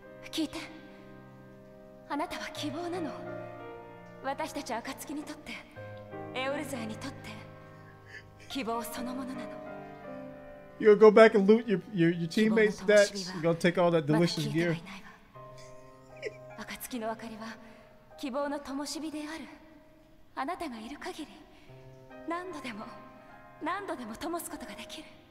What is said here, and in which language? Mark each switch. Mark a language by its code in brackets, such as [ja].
[ja] 聞いて、あなたは希望なの。私たち暁にとってエオルゼアにとって希望そのものなの。 [en] You'll go back and loot your teammates' decks. You're gonna take all that delicious gear. [ja] 暁の明かりは希望の灯火である。あなたがいる限り、何度でも、何度でも灯すことができる。